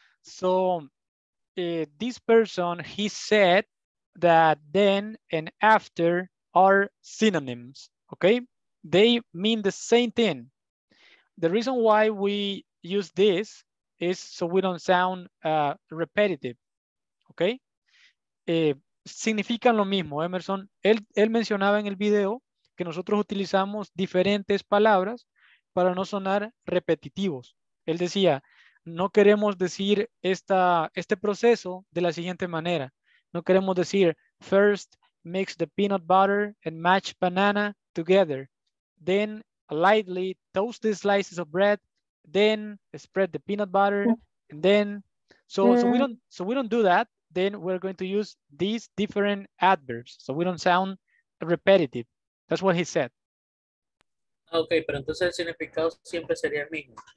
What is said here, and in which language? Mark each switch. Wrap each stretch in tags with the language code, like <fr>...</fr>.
<en>So this person, he said that then and after are synonyms, okay? They mean the same thing. The reason why we use this is so we don't sound repetitive, okay?</en> <es>Significan lo mismo, Emerson. Él mencionaba en el video que nosotros utilizamos diferentes palabras para no sonar repetitivos. Él decía, no queremos decir este proceso de la siguiente manera. No queremos decir,</es> <en>first mix the peanut butter and mash banana together. Then lightly toast the slices of bread. Then spread the peanut butter. And then, so we don't do that. Then we're going to use these different adverbs. So we don't sound repetitive. That's what he said.</en> <es>Okay, pero entonces el significado siempre sería el mismo.</es>